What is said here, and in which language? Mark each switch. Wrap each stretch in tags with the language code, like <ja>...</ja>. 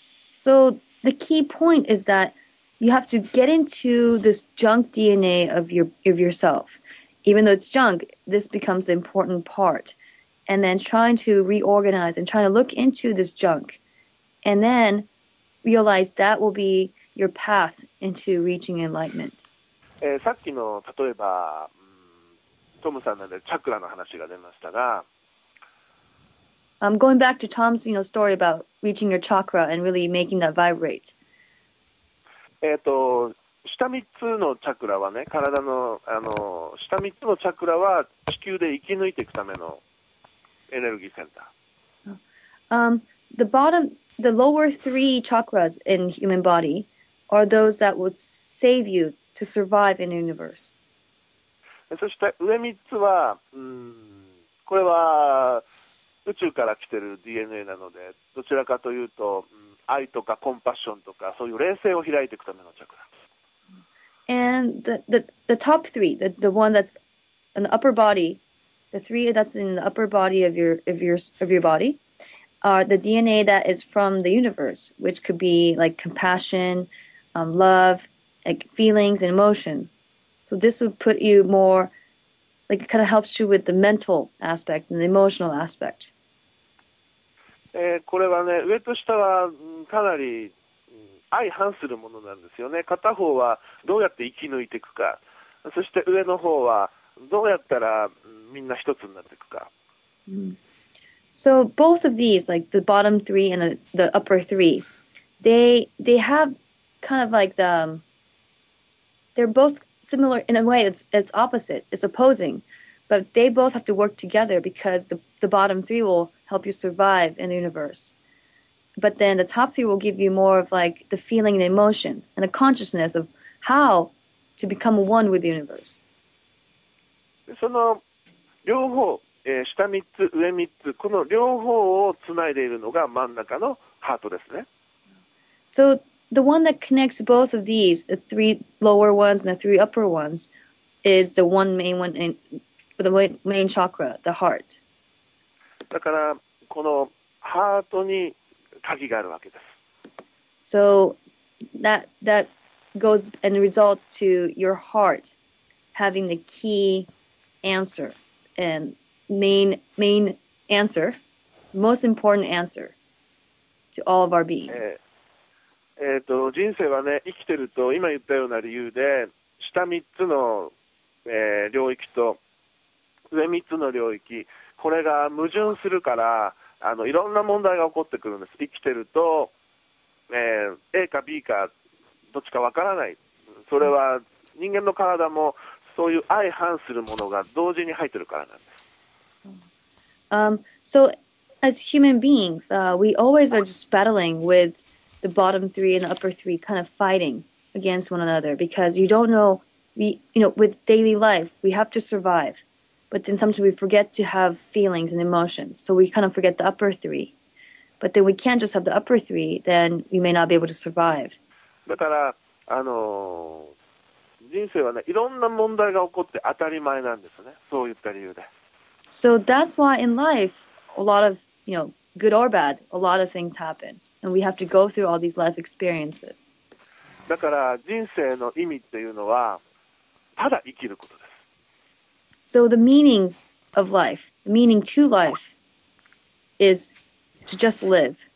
<en>So the key point is that you have to get into this junk DNA of yourself. Even though it's junk, this becomes an important part. And then trying to reorganize and trying to look into this junk, and then realize that will be your path into reaching enlightenment.</en> <ja>さっきの例えば、トムさんのチャクラの話が出ましたが、</ja> <en>going back to Tom's, you know, story about reaching your chakra and really making that vibrate.</en> <ja>下3つのチャクラはね、体の、下3つのチャクラは地球で生き抜いていくためのエネルギーセンター。</ja> <en>The lower three chakras in human body are those that would save you to survive in the universe.</en> <ja>そして上3つは、これは宇宙から来てる DNA なので、どちらかというと、愛とかコンパッションとか、そういう霊性を開いていくためのチャクラ。</ja> <en>And the top three, the one that's in the upper body, the three that's in the upper body of your body, are the DNA that is from the universe, which could be like compassion, love, like feelings and emotion. So this would put you more, like it kind of helps you with the mental aspect and the emotional aspect.</en> <ja>これはね、上と下はかなり相反するものなんですよね。片方はどうやって生き抜いていくか、そして上の方はどうやったらみんな一つになっていくか。</ja> <en>So both of these, like the bottom three and the upper three, they have kind of like the, they're both similar in a way. It's opposite. It's opposing, but they both have to work together because the bottom three will help you survive in the universe. But then the top three will give you more of like the feeling and emotions and the consciousness of how to become one with the universe.</en> <ja>その両方、下三つ上三つ、この両方をつないでいるのが真ん中のハートですね。</ja> <en>So the one that connects both of these, the three lower ones and the three upper ones, is the one main one in the main chakra, the heart.</en> <ja>だからこのハートに鍵があるわけです。</ja> <en>So that goes and results to your heart having the key answer and main answer, most important answer to all of our beings.</en> <ja>人生はね、生きてると今言ったような理由で下3つの、領域と上3つの領域、これが矛盾するから、いろんな問題が起こってくるんです。生きてると、A か B かどっちかわからない。それは人間の体もそういう相反するものが同時に入ってるからなんです。</ja> <en>So as human beings, we always are just battling with the bottom three and the upper three, kind of fighting against one another, because you don't know, with daily life we have to survive. But then sometimes we forget to have feelings and emotions. So we kind of forget the upper three. But then we can't just have the upper three, then we may not be able to survive.</en> <ja>だから、人生はね、いろんな問題が起こって当たり前なんですね。そういった理由で。</ja> <en>So that's why in life, a lot of, good or bad, a lot of things happen. And we have to go through all these life experiences.</en> <ja>だから人生の意味っていうのは、ただ生きることです。</ja> <en>So the meaning of life, the meaning to life, is to just live.</en>